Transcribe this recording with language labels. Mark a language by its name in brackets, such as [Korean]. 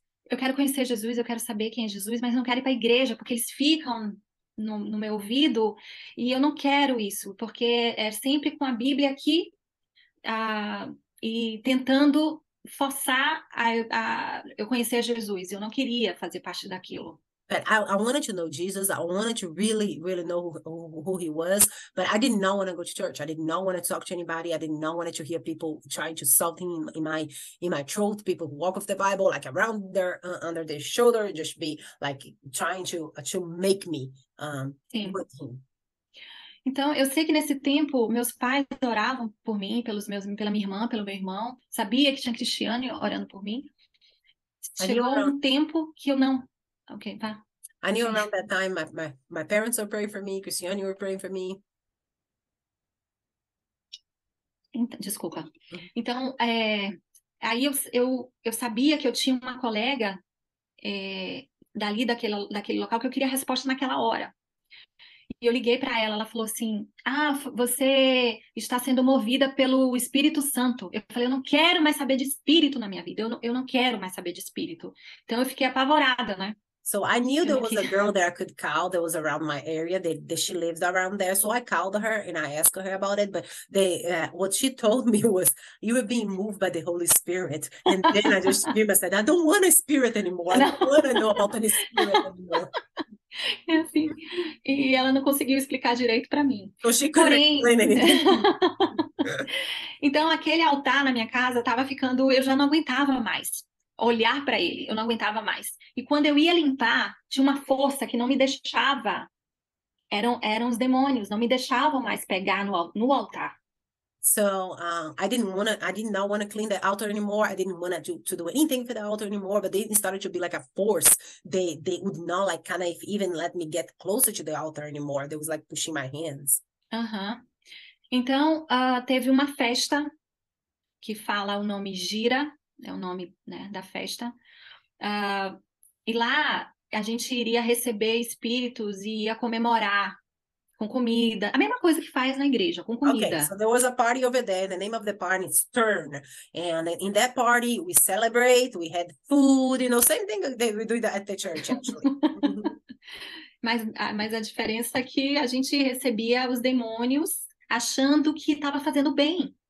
[Portuguese] Eu quero conhecer Jesus, eu quero saber quem é Jesus, mas não quero ir para a igreja, porque eles ficam no meu ouvido, e eu não quero isso, porque é sempre com a Bíblia aqui, e tentando forçar eu conhecer Jesus. Eu não queria fazer parte daquilo. [English] But I wanted to know Jesus. I wanted to really, really know who he was. But I did not want to go to church. I did not want to talk to anybody. I did not want to hear people trying to solve him in my throat. People who walk off the Bible, like around their under their shoulder, just be like trying to make me with him. [Portuguese] Então, eu sei que nesse tempo, meus pais oravam por mim, pela minha irmã, pelo meu irmão. Sabia que tinha Cristiane orando por mim. Chegou um tempo que eu não... Ok, tá. [English] I knew around that time my parents were praying for me, Cristiane were praying for me. [Portuguese] Então, desculpa. Então, aí eu sabia que eu tinha uma colega daquele local que eu queria a resposta naquela hora. E eu liguei para ela, ela falou assim: ah, você está sendo movida pelo Espírito Santo. Eu falei: eu não quero mais saber de espírito na minha vida, eu não quero mais saber de espírito. Então eu fiquei apavorada, né? [English] So I knew there was a girl that I could call that was around my area, that she lived around there. So I called her and I asked her about it. But what she told me was, you were being moved by the Holy Spirit. And then I just screamed and said, I don't want a spirit anymore. I don't want to know about any spirit anymore. [Portuguese] É assim. E ela não conseguiu explicar direito para mim. [English] So she couldn't explain anything. [Portuguese] Então, aquele altar na minha casa estava ficando... Eu já não aguentava mais olhar para ele, eu não aguentava mais. E quando eu ia limpar, tinha uma força que não me deixava. Eram os demônios, não me deixavam mais pegar no altar. [English] So I did not want to clean the altar anymore. I didn't want to do anything for the altar anymore. But it started to be like a force. They would not like kind of even let me get closer to the altar anymore. They was like pushing my hands. [Portuguese] Então teve uma festa que fala o nome Gira. É o nome, né, da festa. E lá a gente iria receber espíritos e ia comemorar com comida. A mesma coisa que faz na igreja, com comida. [English] Okay, so there was a party over there. The name of the party is Turn. And in that party, we celebrate, we had food. You know, same thing that we do at the church, actually. [Portuguese] Mas a diferença é que a gente recebia os demônios achando que estava fazendo bem.